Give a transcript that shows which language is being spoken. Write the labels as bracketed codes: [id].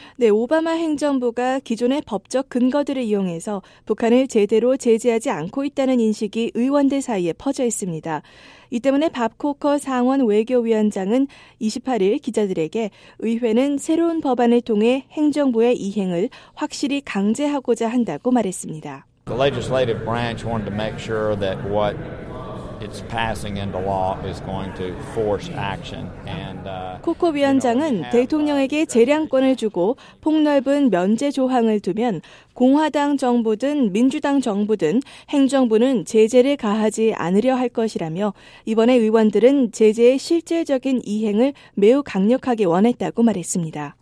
[ko] 네, 오바마 행정부가 기존의 법적 근거들을 이용해서 북한을 제대로 제재하지 않고 있다는 인식이 의원들 사이에 퍼져 있습니다. 이 때문에 밥 코커 상원 외교위원장은 28일 기자들에게 의회는 새로운 법안을 통해 행정부의 이행을 확실히 강제하고자 한다고 말했습니다. [en] The legislative branch wanted to make sure that what it's passing into law is going to force action. And [ko] 코코 위원장은 대통령에게 재량권을 주고 폭넓은 면제 조항을 두면 공화당 정부든 민주당 정부든 행정부는 제재를 가하지 않으려 할 것이라며 이번에 의원들은 제재의 실질적인 이행을 매우 강력하게 원했다고 말했습니다.